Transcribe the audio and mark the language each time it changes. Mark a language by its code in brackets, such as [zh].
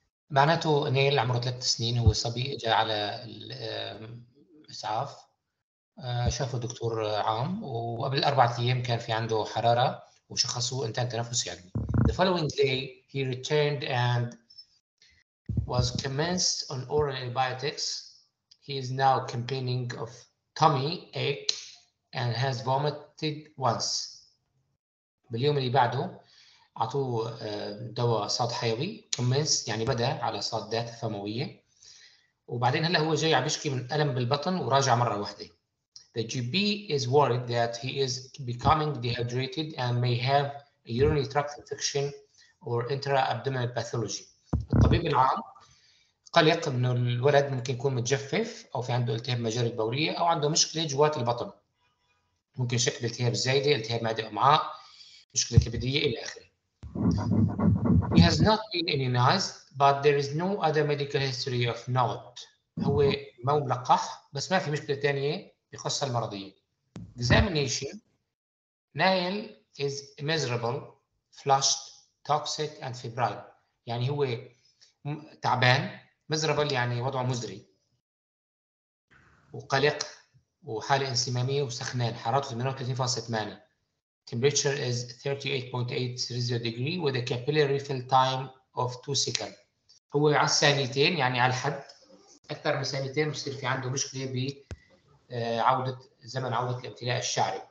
[ar] معناته نيل عمره 3 سنين، هو صبي جاء على الإسعاف، شافه دكتور عام، وقبل 4 أيام كان في عنده حرارة وشخصه انتان تنفس يعني. [en] The following day he returned and was commenced on oral antibiotics. He is now complaining of tummy ache and has vomited once. [ar] باليوم اللي بعده أعطوه دواء صاد حيوي، كمس يعني بدأ على صادات فموية، وبعدين هلأ هو جاي عم يشكي من ألم بالبطن وراجع مرة واحدة. [en] The GP is worried that he is becoming dehydrated and may have a urinary tract infection or intra-abdominal pathology. [ar] الطبيب العام قلق إنه الولد ممكن يكون متجفف أو في عنده التهاب مجاري بولية أو عنده مشكلة جوات البطن، ممكن شكل التهاب زايدة، التهاب معدة أمعاء، مشكلة كبدية إلى آخره. [en] He has not been immunized, but there is no other medical history of note. [ar] هو ما ملقح بس ما في مشكلة تانية بخصها المرضية. [en] Examination. Nail is miserable, flushed, toxic and febrile. [ar] يعني هو تعبان. Miserable يعني وضعه مزري وقلق وحالة انسمامية وسخنان. حرارته 38.8. [en] Temperature is 38.8 degree with a capillary fill time of 2 seconds. [ar] هو على الثانيتين يعني على الحد، أكثر من ثانيتين بصير في عنده مشكلة بعودة زمن عودة الامتلاء الشعري.